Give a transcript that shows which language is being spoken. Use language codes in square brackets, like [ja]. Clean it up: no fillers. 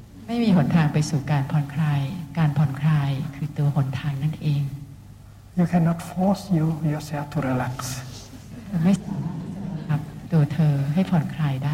[th] ไม่มีหนทางไปสู่การผ่อนคลายการผ่อนคลายคือตัวหนทางนั่นเอง [en] You cannot force yourself to relax [th] ไม่สามารถครับตัวเธอให้ผ่อนคลายได